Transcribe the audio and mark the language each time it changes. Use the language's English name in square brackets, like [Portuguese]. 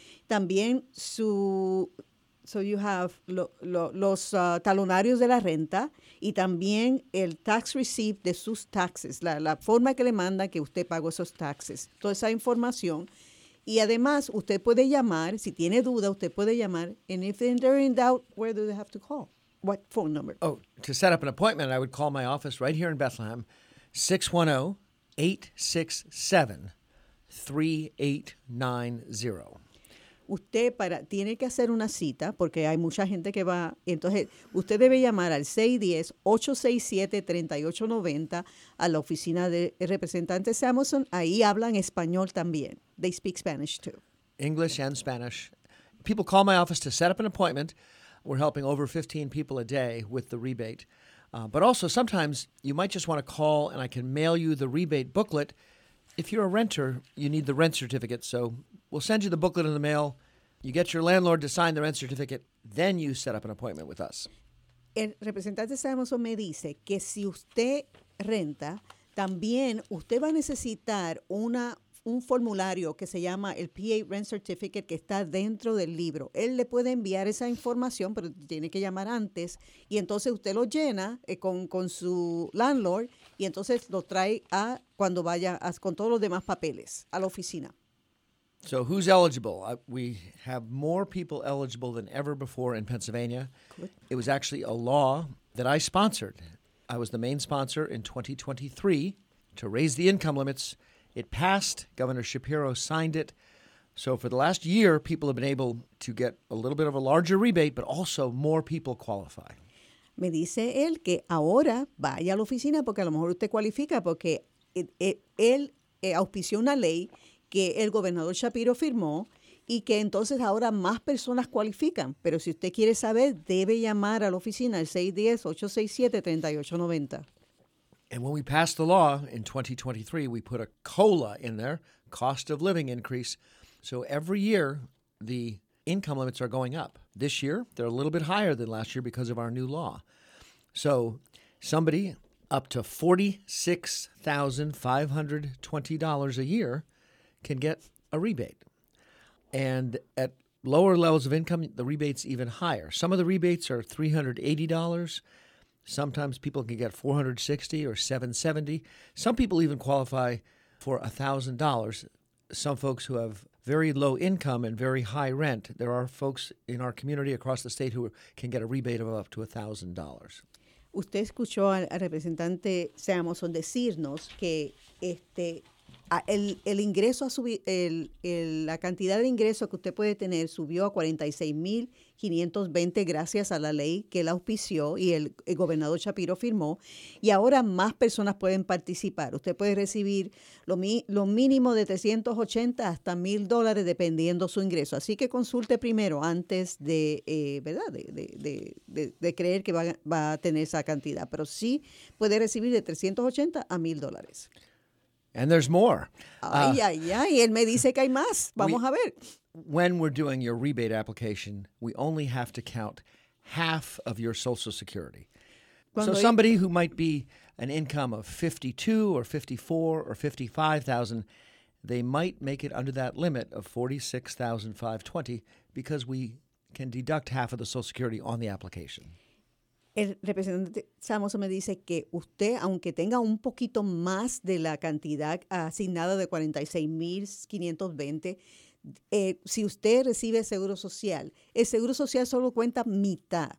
[Spanish] También su... [English] So you have [Spanish] los talonarios de la renta y también el tax receipt de sus taxes, la forma que le manda que usted pagó esos taxes, toda esa información. Y además, usted puede llamar, si tiene duda, usted puede llamar. [English] And if they're in doubt, where do they have to call? What phone number? Oh, to set up an appointment, I would call my office right here in Bethlehem, 610-867-3890. [Spanish] Usted tiene que hacer una cita porque hay mucha gente que va. Entonces, usted debe llamar al 610-867-3890 a la oficina de representante Samuelson. Ahí hablan español también. [English] They speak Spanish too. [Spanish] English and Spanish. [English] People call my office to set up an appointment. We're helping over 15 people a day with the rebate. But also, sometimes you might just want to call and I can mail you the rebate booklet. If you're a renter, you need the rent certificate, so we'll send you the booklet in the mail. You get your landlord to sign the rent certificate, then you set up an appointment with us. [Spanish] El representante Samuelson me dice que si usted renta, también usted va a necesitar un formulario que se llama el PA Rent Certificate que está dentro del libro. Él le puede enviar esa información, pero tiene que llamar antes, y entonces usted lo llena con su landlord, y entonces lo trae a cuando vaya a, con todos los demás papeles a la oficina. [English] So who's eligible? We have more people eligible than ever before in Pennsylvania. Good. It was actually a law that I sponsored. I was the main sponsor in 2023 to raise the income limits. It passed. Governor Shapiro signed it. So for the last year, people have been able to get a little bit of a larger rebate, but also more people qualify. [Spanish] Me dice él que ahora vaya a la oficina porque a lo mejor usted cualifica porque él auspició una ley que el gobernador Shapiro firmó y que entonces ahora más personas cualifican. Pero si usted quiere saber, debe llamar a la oficina al 610-867-3890. [English] And when we passed the law in 2023, we put a COLA in there, cost of living increase. So every year, the income limits are going up. This year, they're a little bit higher than last year because of our new law. So somebody up to $46,520 a year can get a rebate. And at lower levels of income, the rebate's even higher. Some of the rebates are $380. Sometimes people can get $460 or $770. Some people even qualify for $1,000. Some folks who have very low income and very high rent, there are folks in our community across the state who can get a rebate of up to $1,000. [Spanish] Usted escuchó al representante Samuelson decirnos que el ingreso ha subido, la cantidad de ingreso que usted puede tener subió a 46,520 gracias a la ley que él auspició y el gobernador Shapiro firmó. Y ahora más personas pueden participar. Usted puede recibir lo mínimo de 380 hasta $1,000 dependiendo su ingreso. Así que consulte primero antes de, ¿verdad? De creer que va a tener esa cantidad. Pero sí puede recibir de 380 a $1,000. [English] And there's more. [Spanish] Ay, ay, ay. Él me dice que hay más. Vamos a ver. [English] When we're doing your rebate application, we only have to count half of your Social Security. So somebody who might be an income of $52,000 or $54,000 or $55,000, they might make it under that limit of $46,520 because we can deduct half of the Social Security on the application. [Spanish] El representante Samuelson me dice que usted, aunque tenga un poquito más de la cantidad asignada de 46,520, si usted recibe seguro social, el seguro social solo cuenta mitad.